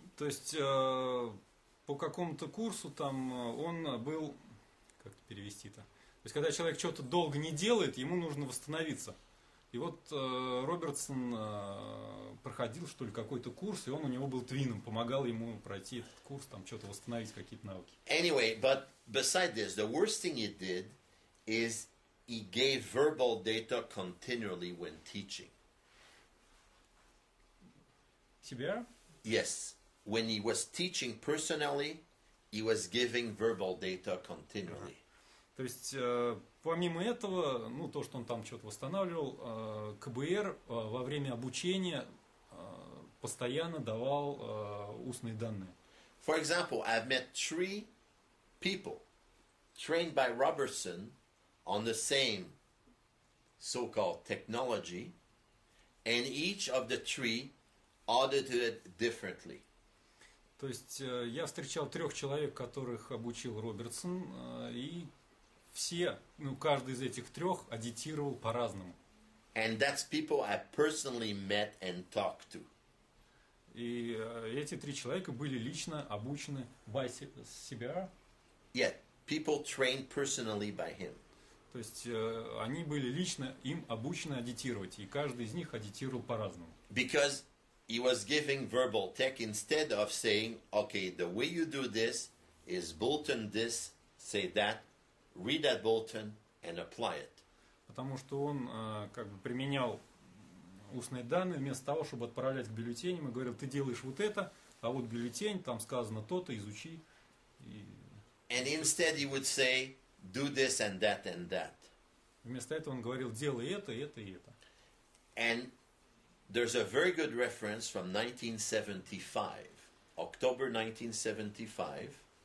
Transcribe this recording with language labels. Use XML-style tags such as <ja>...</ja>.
<ru>То есть по какому-то курсу там он был, как перевести-то? То есть когда человек что-то долго не делает, ему нужно восстановиться. И вот Робертсон проходил, что ли, какой-то курс, и он у него был твином, помогал ему пройти этот курс, там что-то восстановить, какие-то навыки.</ru> <en>Anyway, but beside this, the worst thing he did is he gave verbal data continually when teaching.</en> <ru>Тебя?</ru> <en>Yes. When he was teaching personally, he was giving verbal data continually.</en> <ru>То есть, помимо этого, ну, то, что он там что-то восстанавливал, КБР во время обучения постоянно давал устные данные.</ru> <en>For example, I've met three people trained by Robertson on the same so-called technology, and each of the three audited it differently.</en> <ru>То есть, я встречал трех человек, которых обучил Робертсон, и... Все, ну каждый из этих трех аудитировал по-разному.</ru> <en>And that's people I personally met and talked to.</en> <ru>И эти три человека были лично обучены</ru> <en>by CBR. Yeah, people trained personally by him.</en> <ru>То есть они были лично им обучены аудитировать, и каждый из них аудитировал по-разному.</ru> <en>Because he was giving verbal tech instead of saying, okay, the way you do this is bulletin this, say that. Read that bulletin and apply it.</en> <ru>Потому что он как бы применял устные данные вместо того, чтобы отправлять к бюллетеням, и говорил, ты делаешь вот это, а вот бюллетень, там сказано то-то, изучи.</ru> <en>And instead he would say, do this and that and that.</en> <ru>Вместо этого он говорил, делай это, это и это.</ru> <en>And there's a very good reference from 1975, October 1975.</en>